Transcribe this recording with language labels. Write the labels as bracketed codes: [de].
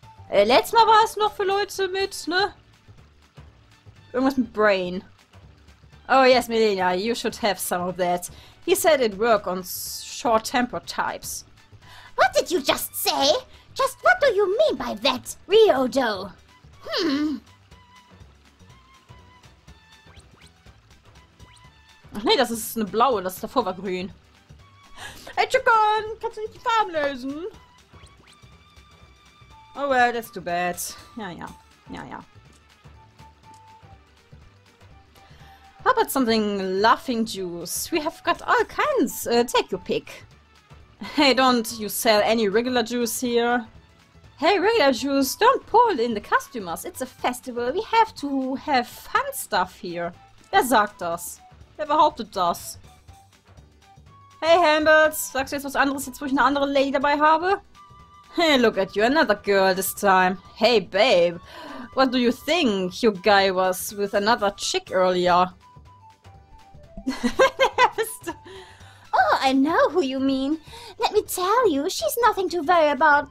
[de] Letztes Mal war es noch für Leute mit, ne? Irgendwas mit Brain. [en] Oh yes, Melina, you should have some of that. He said it worked on short-temper types. What did you just say? Just what do you mean by that, Ryodo? [de] Ach nee, das ist eine blaue, das davor war grün. Hey Chicken, kannst du nicht die Farben lesen? [en] Oh well, that's too bad. [de] Ja, ja. Ja, ja. [en] How about something laughing juice? We have got all kinds. Take your pick. Hey, don't you sell any regular juice here? Hey, regular juice, don't pull in the customers. It's a festival. We have to have fun stuff here. [de] Wer sagt das? Wer behauptet das? Hey, Hambles, sagst du jetzt was anderes, jetzt wo ich eine andere Lady dabei habe? [en] Hey, look at you, another girl this time. Hey, babe, what do you think your guy was with another chick earlier? Oh, I know who you mean. Let me tell you, she's nothing to worry about.